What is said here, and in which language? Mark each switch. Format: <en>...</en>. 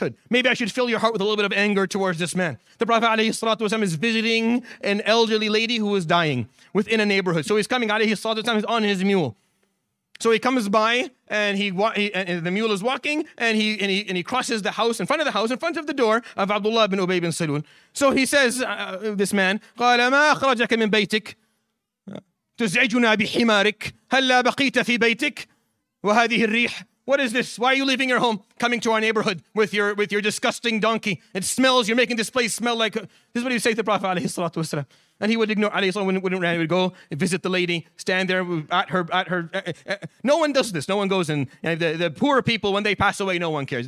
<en>Maybe I should fill your heart with a little bit of anger towards this man. The Prophet alayhi salatu wasalam is visiting an elderly lady who is dying within a neighborhood. So he's coming alayhi salatu wasalam, he's on his mule. So he comes by and the mule is walking and he crosses the house, in front of the house, in front of the door of Abdullah ibn Ubay ibn Salul. So he says, this man,</en> <ar>قَالَ مَا أَخْرَجَكَ مِنْ بَيْتِكَ تُزْعِجُنَا بِحِمَارِكَ هَلَّا بَقِيتَ فِي بَيْتِكَ وَهَذِهِ الرِّيحِ.</ar> <en>What is this? Why are you leaving your home, coming to our neighborhood with your disgusting donkey? It smells, you're making this place smell like... This is what he would say to the Prophet alayhi salatu wasalam. And he would ignore, alayhi salatu wasalam wouldn't run, he would go and visit the lady, stand there at her. No one does this, no one goes in. And the poor people, when they pass away, no one cares.</en>